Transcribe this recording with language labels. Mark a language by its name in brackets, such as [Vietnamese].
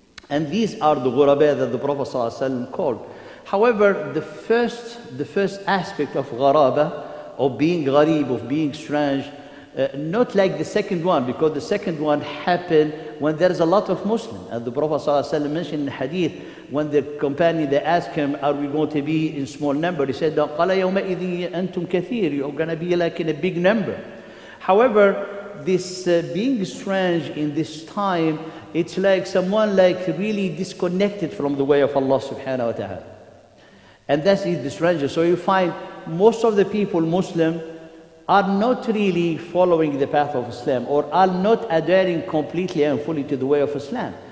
[English] And these are the غُرَبَاء that the Prophet [Arabic] صلى الله عليه وسلم [English] called. However, the first aspect of غَرَابَة, of being غَرِيب, of being strange, not like the second one, because the second one happened when there is a lot of Muslims. And the Prophet [Arabic] صلى الله عليه وسلم [English] mentioned in the hadith, when the companion, they ask him, are we going to be in small number? [Arabic] He said, قَالَ يَوْمَئِذٍ أَنْتُمْ كَثِيرٌ. [English] You're going to be like in a big number. However, this being strange in this time, it's like someone like really disconnected from the way of Allah subhanahu wa ta'ala. And that's the stranger. So you find most of the people, Muslim, are not really following the path of Islam or are not adhering completely and fully to the way of Islam.